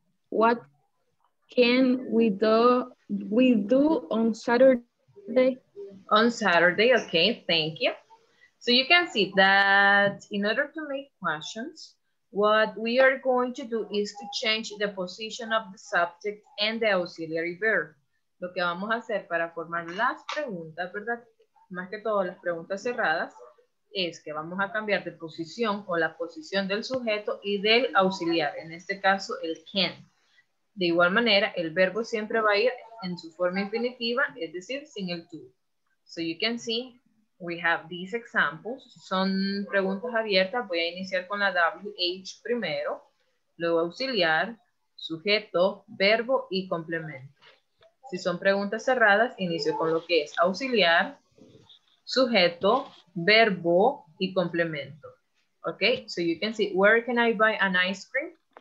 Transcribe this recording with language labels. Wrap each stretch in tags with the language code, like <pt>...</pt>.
<en>What can we do on Saturday? On Saturday, okay, thank you. So you can see that in order to make questions, what we are going to do is to change the position of the subject and the auxiliary verb.</en> <es>Lo que vamos a hacer para formar las preguntas, ¿verdad? Más que todo las preguntas cerradas, es que vamos a cambiar de posición o la posición del sujeto y del auxiliar, en este caso el can. De igual manera, el verbo siempre va a ir en su forma infinitiva, es decir, sin el to.</es> <en>So you can see, we have these examples.</en> <es>Son preguntas abiertas. Voy a iniciar con la WH primero, luego auxiliar, sujeto, verbo y complemento. Si son preguntas cerradas, inicio con lo que es auxiliar, sujeto, verbo y complemento.</es> <en>Okay, so you can see, where can I buy an ice cream?</en>